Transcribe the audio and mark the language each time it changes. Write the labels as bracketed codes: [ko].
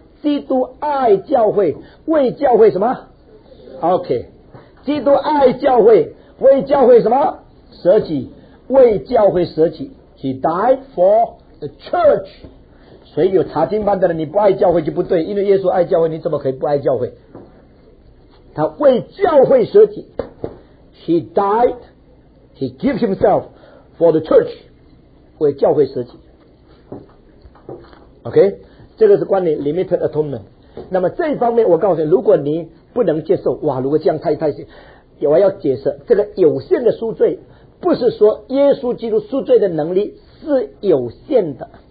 [zh] 基督爱教会，为教会什么 ？OK， 基督爱教会，为教会什么？舍己，为教会舍己。 [en] He died for the church。 [zh] 所以有查经班的人，你不爱教会就不对，因为耶稣爱教会，你怎么可以不爱教会？他为教会舍己。 [en] He died, he gave himself for the church。 [zh] 为教会舍己。 [en] OK。 [zh] 这个是关于 limited atonement。那么这一方面我告诉你，如果你不能接受，哇，如果这样太我要解释，这个有限的赎罪不是说耶稣基督赎罪的能力是有限的。